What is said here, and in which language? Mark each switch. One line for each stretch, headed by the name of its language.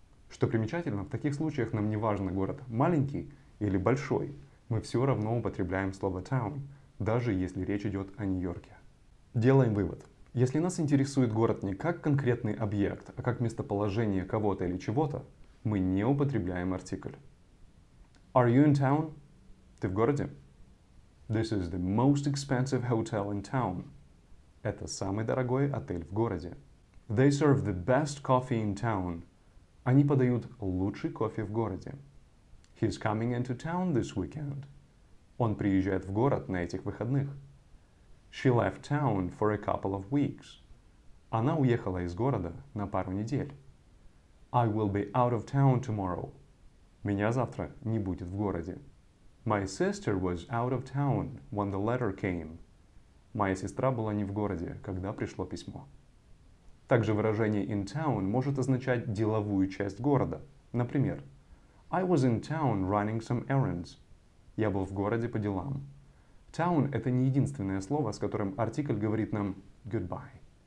Russian: Что примечательно, в таких случаях нам не важно, город маленький или большой, мы все равно употребляем слово town, даже если речь идет о Нью-Йорке. Делаем вывод. Если нас интересует город не как конкретный объект, а как местоположение кого-то или чего-то, мы не употребляем артикль.
English: Are you in town?
Russian: Ты в городе?
English: This is the most expensive hotel in town.
Russian: Это самый дорогой отель в городе.
English: They serve the best coffee in town.
Russian: Они подают лучший кофе в городе.
English: He's coming into town this weekend.
Russian: Он приезжает в город на этих выходных.
English: She left town for a couple of weeks.
Russian: Она уехала из города на пару недель.
English: I will be out of town tomorrow.
Russian: Меня завтра не будет в городе.
English: My sister was out of town when the letter came.
Russian: Моя сестра была не в городе, когда пришло письмо. Также выражение in town может означать деловую часть города. Например,
English: I was in town running some errands.
Russian: Я был в городе по делам. Town — это не единственное слово, с которым артикль говорит нам goodbye.